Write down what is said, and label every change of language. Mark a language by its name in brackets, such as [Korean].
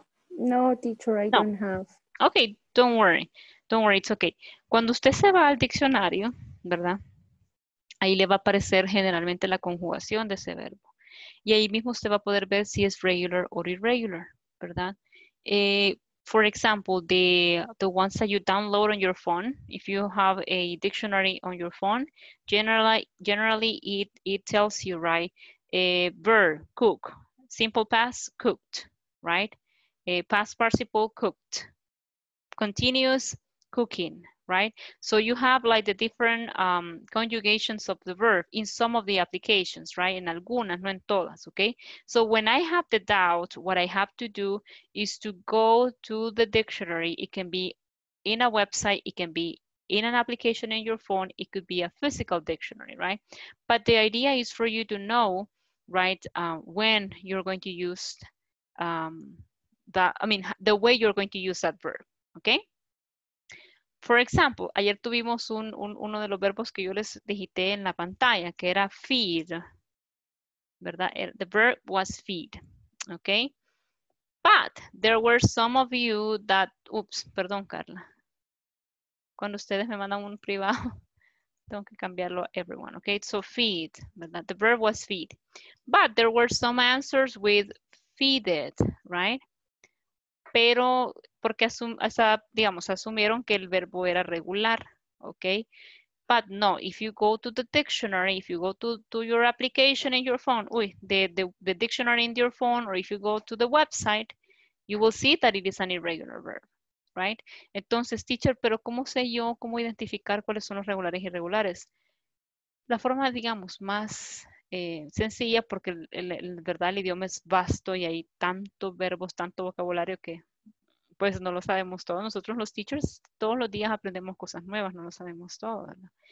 [English] No, teacher, I don't have. Okay, don't worry. Don't worry, it's okay. [Spanish] Cuando usted se va al diccionario, ¿verdad? Ahí le va a aparecer generalmente la conjugación de ese verbo. Y ahí mismo usted va a poder ver si es regular or irregular, ¿verdad? [English] For example, the ones that you download on your phone, if you have a dictionary on your phone, generally it tells you, right, a verb, cook, simple past, cooked, right? A past participle, cooked, continuous, cooking, right? So you have like the different conjugations of the verb in some of the applications, right? [Spanish] En algunas, no en todas, [English] okay? So when I have the doubt, what I have to do is to go to the dictionary. It can be in a website, it can be in an application in your phone, it could be a physical dictionary, right? But the idea is for you to know, right, when you're going to use the way you're going to use that verb, okay? For example, [Spanish] ayer tuvimos uno de los verbos que yo les digité en la pantalla, que era feed, ¿verdad? [English] The verb was feed, okay? But there were some of you that, oops, [Spanish] perdón, Carla. Cuando ustedes me mandan un privado, tengo que cambiarlo a [English] everyone, [Spanish] okay? [English] So feed, [Spanish] ¿verdad? [English] The verb was feed. But there were some answers with feeded, right? [Spanish] Pero porque asumieron que el verbo era regular, okay? [English] But no, if you go to the dictionary, if you go to your application in your phone, the dictionary in your phone, or if you go to the website, you will see that it is an irregular verb, right? [Spanish] Entonces, teacher, pero ¿cómo sé yo cómo identificar cuáles son los regulares e irregulares? La forma, digamos, más sencilla, porque el idioma es vasto y hay tantos verbos, tanto vocabulario que pues no lo sabemos todo. Nosotros los teachers todos los días aprendemos cosas nuevas, no lo sabemos todo, ¿verdad?